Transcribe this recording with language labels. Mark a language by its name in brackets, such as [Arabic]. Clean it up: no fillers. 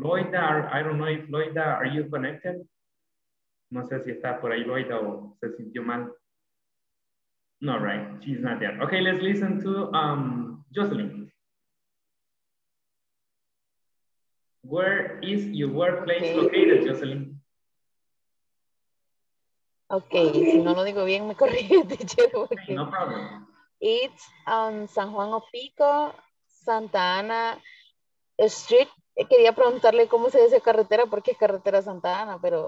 [English] Loida, I don't know if Loida, are you connected? [Spanish] No sé si está por ahí Loida o se sintió mal. [English] No, right, she's not there. Okay, let's listen to Jocelyn. Where is your workplace located, Jocelyn? [Spanish] Okay, si no lo digo bien, me corrige, teacher. Okay, [English] no problem. It's on San Juan Opico, Santa Ana Street. [Spanish] Quería preguntarle cómo se dice carretera, porque es carretera Santa Ana, pero...